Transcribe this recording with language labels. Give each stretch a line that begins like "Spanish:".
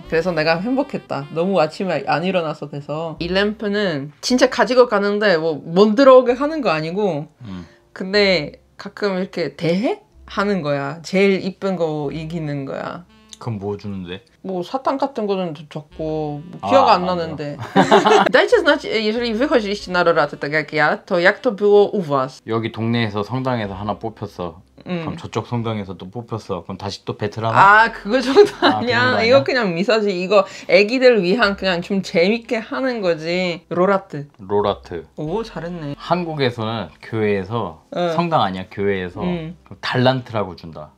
Korean: 그래서 내가 행복했다. 너무 아침에 안 일어나서 돼서 이 램프는 진짜 가지고 가는데 뭐 못 들어오게 하는 거 아니고 근데 가끔 이렇게 대회? 하는 거야. 제일 이쁜 거 이기는 거야. 그럼 뭐 주는데? 뭐 사탕 같은 거는 줬고 뭐 기억 안 나는데.
Polish: Dajcie znać, jeżeli wychodziliście na roraty tak jak ja, to jak to było u was?
Korean: 여기 동네에서 성당에서 하나 뽑혔어. 그럼 저쪽 성당에서 또 뽑혔어. 그럼 다시 또 배틀하나? 아, 그거 정도 아니야. 이거 그냥 미사지. 이거 애기들 위한 그냥 좀 재밌게 하는 거지. 로라트. 오, 잘했네. 한국에서는 교회에서, 성당 아니야, 교회에서 달란트라고 준다.